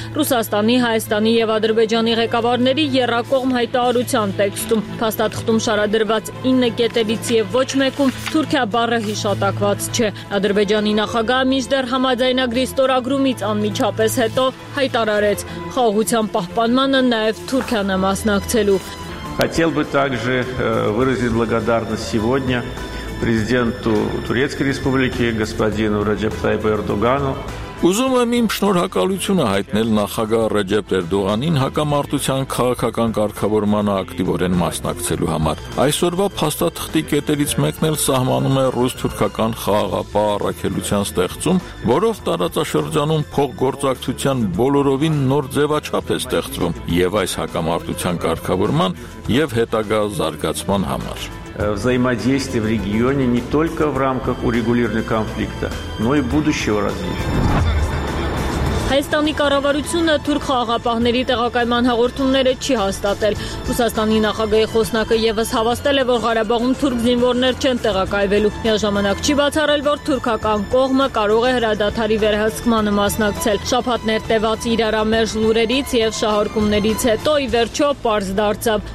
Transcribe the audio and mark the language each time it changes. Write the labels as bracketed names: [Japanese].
[Armenian] Ռուսաստանի, Հայաստանի և Ադրբեջանի ղեկավարների երրակողմ հայտարարության տեքստում։ Փաստաթղթում շարադրված 9 կետերից և ոչ մեկում Թուրքիա բառը հիշատակված չէ։ Ադրբեջանի նախագահը միջդեռ համաձայնագրի ստորագրումից անմիջապես հետո հայտարարեց խաղաղության պահպանմանը նաև Թուրքիան է մասնակցելու։ [Russian] Хотел бы также выразить благодарность сегодня Президенту Турецкой Республики господину Реджеп Тайпу Эрдогану. [Armenian] Ուզում եմ իմ շնորհակալությունը հայտնել նախագահ Ռեջեփ Էրդողանին հակամարտության քաղաքական կարգավորմանը ակտիվորեն մասնակցելու համար։ Այսօրվա փաստաթղթի կետերից մեկն էլ սահմանում է ռուս-թուրքական խաղաղապահ առաքելության ստեղծում, որով տարածաշրջանում փոխգործակցության բոլորովին նոր ձևաչափ է ստեղծվում և այս հակամարտության կարգավորման և հետագա զարգացման համար։ [Russian] Взаимодействие в регионе не только в рамках урегулирования конфликта, но и будущего развития. [Armenian] Հայաստանի կառավարությունը թուրք խաղաղապահների տեղակայման հաղորդումները չի հաստատել։ Ռուսաստանի նախագահի խոսնակը ևս հավաստել է, որ Ղարաբաղում թուրք զինվորներ չեն տեղակայվելու։ Միաժամանակ չի բացառել, որ թուրքական կողմը կարող է հրադադարի վերահսկմանը մասնակցել։ Շաբաթներ տևած իրարամերժ լուրերից և շահարկումներից հետո ի վերջո պարզ դարձավ.